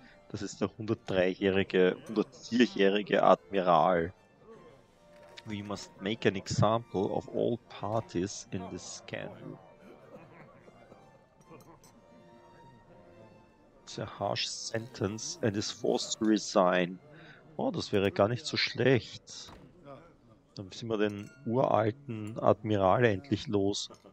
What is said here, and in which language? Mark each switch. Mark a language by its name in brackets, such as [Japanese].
[German] Das ist der 103-jährige, 104-jährige Admiral. [English] We must make an example of all parties in this scandal. It's a harsh sentence and is forced to resign. [German] Oh, das wäre gar nicht so schlecht. Dann sind wir den uralten Admiral endlich los.